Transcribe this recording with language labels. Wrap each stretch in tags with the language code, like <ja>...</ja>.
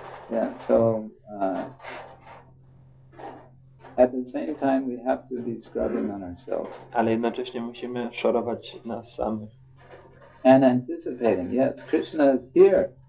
<en>Yeah, so at the same time we have to be scrubbing on ourselves.</en> <pl>Ale jednocześnie musimy szorować nas samych.</pl> <en>And anticipating, yes, Krishna is here.</en>